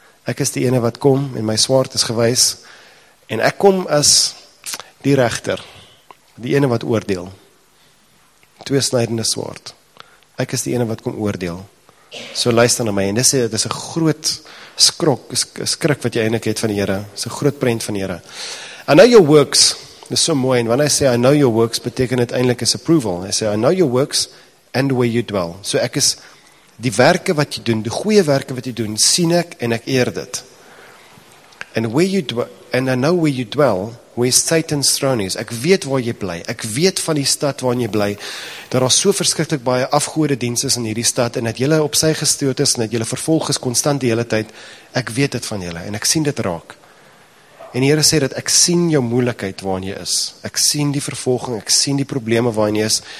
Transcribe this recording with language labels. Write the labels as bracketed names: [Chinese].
[Afrikaans] Ek is die ene wat kom en my swaard is gewys en ek kom as die regter, die ene wat oordeel. Twee snydende swaard. Ek is die ene wat kom oordeel. So luister na my en dis 'n groot skrok, skrik wat jy eintlik het van die Here, 'n groot prent van die Here. [English] I know your works, [Afrikaans] dis so mooi en wanneer hy sê I know your works, beteken dit eintlik is approval. Hy sê [English] I know your works and where you dwell. [Afrikaans] So ek is die werke wat jy doen, die goeie werke wat jy doen, sien ek en ek eer dit. [English] And where you dwell, and I know where you dwell, where Satan's throne is. [Afrikaans] Ek weet waar jy bly. Ek weet van die stad waarin jy bly. Dat daar so verskriklik baie afgodedienste in hierdie stad en dat julle op sy gestoot is en dat julle vervolg is konstant die hele tyd. Ek weet dit van julle en ek sien dit raak. En die Here sê dat ek sien jou moeilikheid waarin jy is. Ek sien die vervolging, ek sien die probleme waarin jy is.